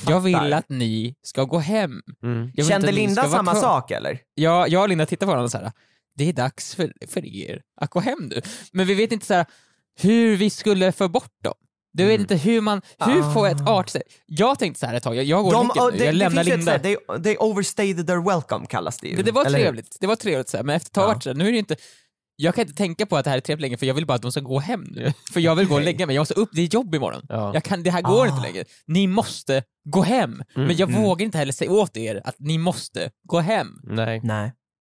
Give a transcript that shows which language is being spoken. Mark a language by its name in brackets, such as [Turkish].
[Swedish] Jag vill att ni ska gå hem. Mm. Kände Linda samma sak eller? Ja, jag och Linda tittar på honom så här. Det är dags för er att gå hem nu. Men vi vet inte så här, hur vi skulle få bort dem. Du vet inte hur man, hur får ett art sig. Jag tänkte så här ett tag, jag går nu. Jag lämnar Linda. [English] They overstayed their welcome [Swedish] kallas det ju. Det var trevligt. Det var trevligt så här, men efter ett tag så här, nu är det inte, jag kan inte tänka på att det här är trevligt längre, för jag vill bara att de ska gå hem nu. För jag vill gå och lägga mig. Jag måste upp, det är jobb imorgon. Ja. Det här går inte längre. Ni måste gå hem. Mm. Men jag vågar inte heller säga åt er att ni måste gå hem. Nej.